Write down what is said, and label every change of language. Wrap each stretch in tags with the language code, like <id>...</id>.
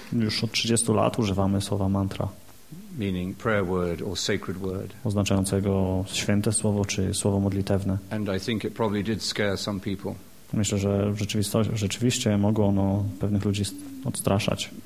<pl>Już od 30 lat używamy słowa mantra.</pl> <en>Meaning prayer word or sacred word.</en> <pl>Oznaczającego święte słowo czy słowo modlitewne.</pl> <en>And I think it probably did scare some people.</en> <pl>Myślę, że rzeczywiście mogło ono pewnych ludzi odstraszać.</pl>